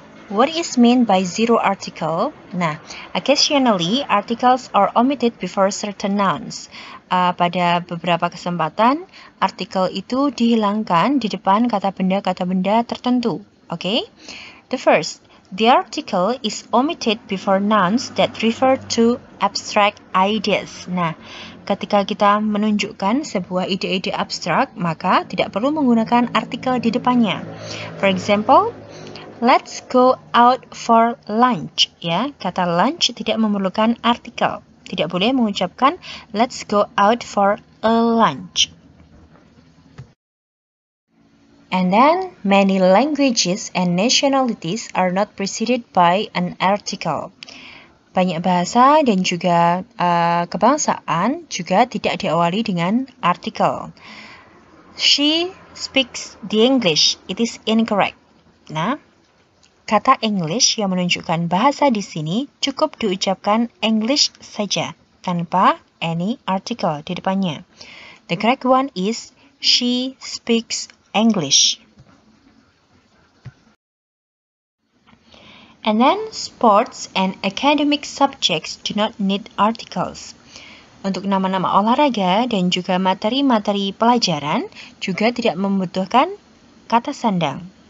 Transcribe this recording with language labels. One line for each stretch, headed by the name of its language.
English: What is meant by zero article? Nah, occasionally, articles are omitted before certain nouns.
Indonesian: Pada beberapa kesempatan, artikel itu dihilangkan di depan kata benda tertentu. Okay?
English: The first, the article is omitted before nouns that refer to abstract ideas.
Indonesian: Nah, ketika kita menunjukkan sebuah ide-ide abstrak, maka tidak perlu menggunakan artikel di depannya.
English: For example, let's go out for lunch.
Indonesian: Ya, kata lunch tidak memerlukan artikel. Tidak boleh mengucapkan
English: let's go out for a lunch. And then, many languages and nationalities are not preceded by an article.
Indonesian: Banyak bahasa dan juga kebangsaan juga tidak diawali dengan artikel.
English: She speaks the English. It is incorrect.
Indonesian: Nah, kata English yang menunjukkan bahasa di sini cukup diucapkan English saja, tanpa
English: any article
Indonesian: di depannya.
English: The correct one is she speaks English. And then sports and academic subjects do not need articles.
Indonesian: Untuk nama-nama olahraga dan juga materi-materi pelajaran juga tidak membutuhkan kata sandang.